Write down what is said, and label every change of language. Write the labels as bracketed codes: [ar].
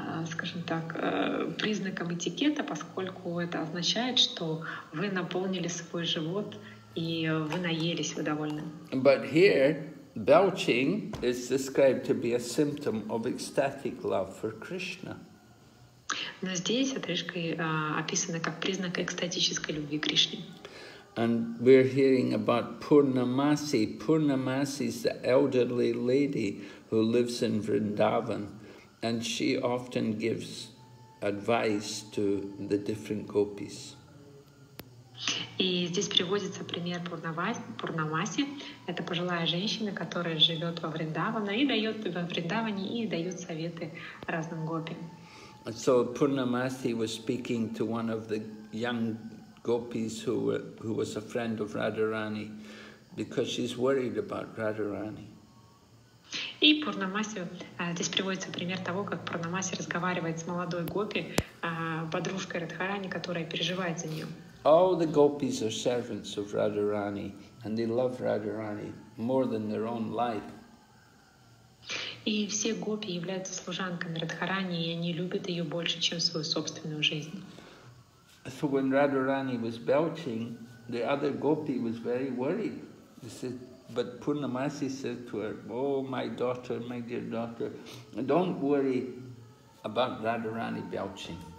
[ru] Скажем так, признаком этикета, поскольку это означает, что вы наполнили свой живот и вы наелись, вы довольны. [en] But here, belching is described to be a symptom of ecstatic love for Krishna. [ru] Но здесь отрыжка описана как признак экстатической любви к Кришне. [en] And we're hearing about Purnamasi. Purnamasi is the elderly lady who lives in Vrindavan. And she often gives advice to the different gopis. [ru] И здесь приводится пример Пурнамаси. Это пожилая женщина, которая живет во Вриндаване и дает во Вриндаване и дает советы разным гопи. [en] So Purnamasi was speaking to one of the young gopis who was a friend of Radharani, because she's worried about Radharani. [ru] И Пурнамаси, здесь приводится пример того, как Пурнамаси разговаривает с молодой гопи, подружкой Радхарани, которая переживает за нее. [en] All the gopis are servants of Radharani, and they love Radharani more than their own life. [ru] И все гопи являются служанками Радхарани, и они любят ее больше, чем свою собственную жизнь. [en] So when Radharani was belching, the other gopi was very worried. He said, but Purnamasi said to her, "Oh, my daughter, my dear daughter, don't worry about Radharani belching.